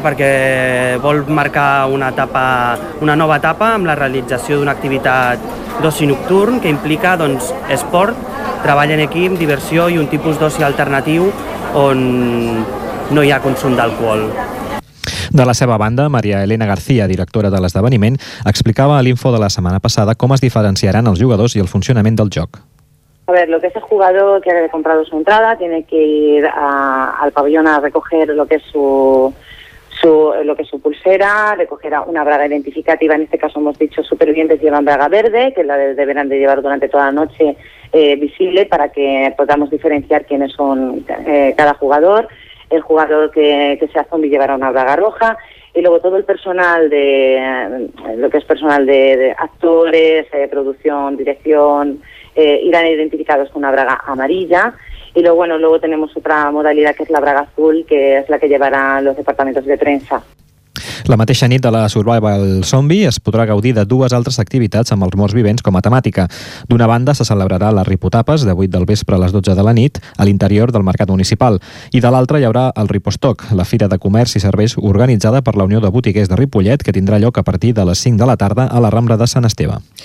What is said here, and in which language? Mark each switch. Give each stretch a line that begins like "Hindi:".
Catalan: Perquè vol marcar una nova etapa amb la realització d'una activitat d'oci nocturn que implica doncs, esport, treball en equip, diversió i un tipus d'oci alternatiu on no hi ha consum d'alcohol. De la seva banda, Maria Elena García, directora de l'esdeveniment, explicava a l'Info de la setmana passada com es diferenciaran els jugadors i el funcionament del joc.
Spanish: A ver, lo que es el jugador que ha comprado su entrada tiene que ir al pabellón a recoger lo que es su pulsera, recoger una braga identificativa, en este caso hemos dicho supervivientes llevan braga verde, que la deberán de llevar durante toda la noche visible para que podamos diferenciar quiénes son cada jugador. El jugador que sea zombie llevará una braga roja y luego todo el personal de lo que es personal de actores, producción, dirección, irán identificados con una braga amarilla. Y luego, bueno, luego tenemos otra modalidad que es la braga azul, que es la que llevarán los departamentos de prensa.
Catalan: La mateixa nit de la Survival Zombie es podrà gaudir de dues altres activitats amb els morts vivents com a temàtica. D'una banda, se celebrarà la Ripotapes de 8 del vespre a les 12 de la nit a l'interior del Mercat Municipal. I de l'altra, hi haurà el Ripostoc, la fira de comerç i serveis organitzada per la Unió de Botiguers de Ripollet, que tindrà lloc a partir de les 5 de la tarda a la Rambla de Sant Esteve.